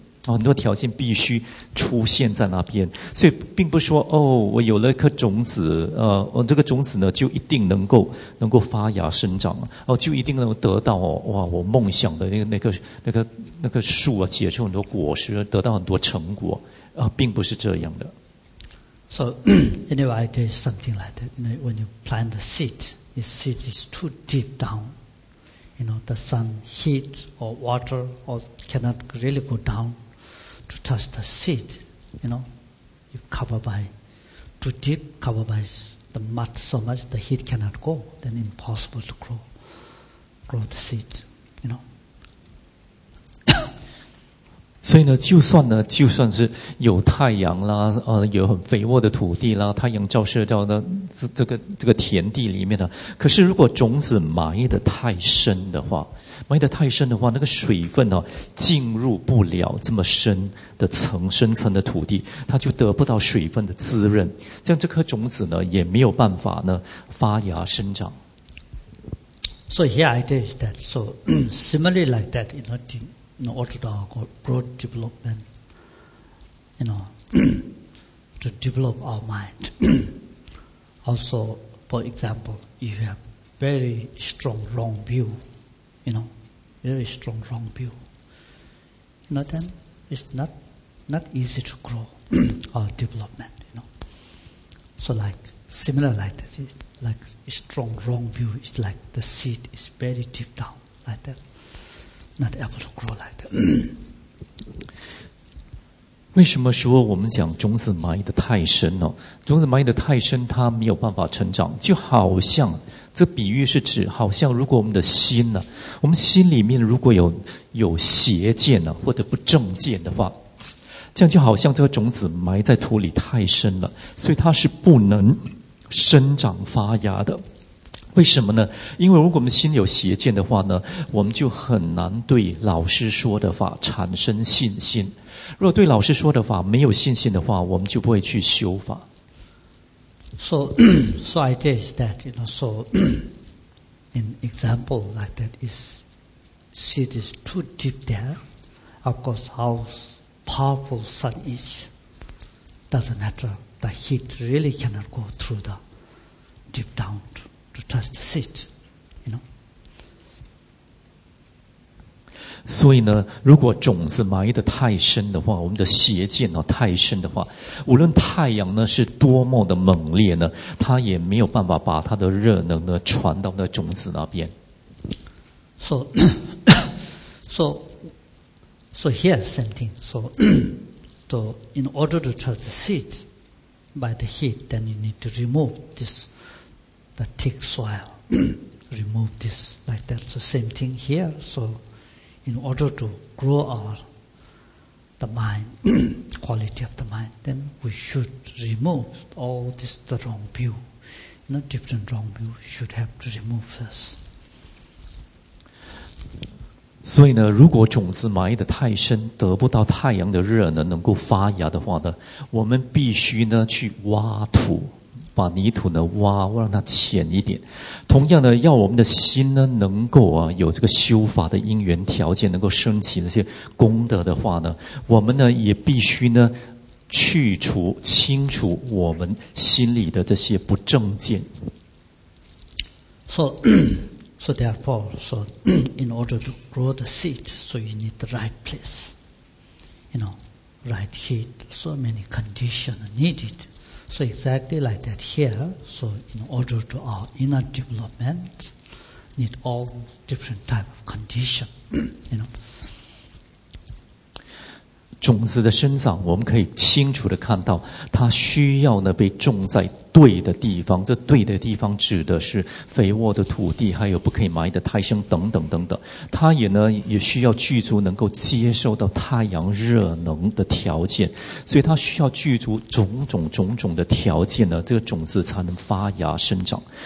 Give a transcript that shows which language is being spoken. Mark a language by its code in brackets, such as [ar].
[zh] 很多条件必须出现在那边，所以并不说哦，我有了一颗种子，这个种子呢就一定能够发芽生长，就一定能够得到哇，我梦想的那个树啊，结出很多果实，得到很多成果啊，并不是这样的。 [en] So anyway, there's something like that. You know, when you plant the seed, the seed is too deep down. You know, the sun, heat, or water, or cannot really go down. To touch the seed, you know, if covered by too deep, covered by the mud so much, the heat cannot go, then impossible to grow the seed, you know. [zh] 所以呢，就算是有太阳啦，有很肥沃的土地啦，太阳照射到这个田地里面呢，可是如果种子埋得太深的话。埋得太深的话，那个水分呢，进入不了这么深的层、深层的土地，它就得不到水分的滋润，这样这颗种子呢，也没有办法呢发芽生长。 [en] So here idea is that, so similarly like that, you know, in order to our growth development, you know, to develop our mind. Also, for example, if you have very strong long view, you know. Very strong wrong view. You know, then it's not easy to grow or development, you know. So like, similar like that, like strong wrong view is like the seed is very deep down, like that. Not able to grow like that. [zh] 为什么说我们讲种子埋得太深呢？种子埋得太深，它没有办法成长，就好像这比喻是指，好像如果我们的心呢、我们心里面如果有邪见呢、或者不正见的话，这样就好像这个种子埋在土里太深了，所以它是不能生长发芽的。为什么呢？因为如果我们心有邪见的话呢，我们就很难对老师说的话产生信心。如果对老师说的话没有信心的话，我们就不会去修法。 [en] So idea is that, you know, so in example like that is seed is too deep there, of course, how powerful sun is, doesn't matter. The heat really cannot go through the deep down to touch the seed. [zh] 所以呢，如果种子埋得太深的话，我们的邪见哦太深的话，无论太阳呢是多么的猛烈呢，它也没有办法把它的热能呢传到那种子那边。 [en] So here's something. So in order to touch the seed by the heat, then you need to remove this the thick soil. Remove this like that. So same thing here. So. In order to grow our the mind, quality of the mind, then we should remove all this the wrong view. Not different wrong view should have to remove first. [zh] 所以呢，如果种子埋得太深，得不到太阳的热呢，能够发芽的话呢，我们必须呢去挖土。把泥土呢挖，让它浅一点。同样的，要我们的心呢能够啊有这个修法的因缘条件，能够升起那些功德的话呢，我们呢也必须呢去除清除我们心里的这些不正见。 [en] So therefore, so in order to grow the seed, so you need the right place, you know, right heat. So many conditions needed. So exactly like that here, so in order to our inner development, need all different type of condition, you know. [zh] 种子的生长，我们可以清楚地看到，它需要呢被种在对的地方。这对的地方指的是肥沃的土地，还有不可以埋得太深等等等等。它也呢也需要具足能够接受到太阳热能的条件，所以它需要具足种种种种的条件呢，这个种子才能发芽生长。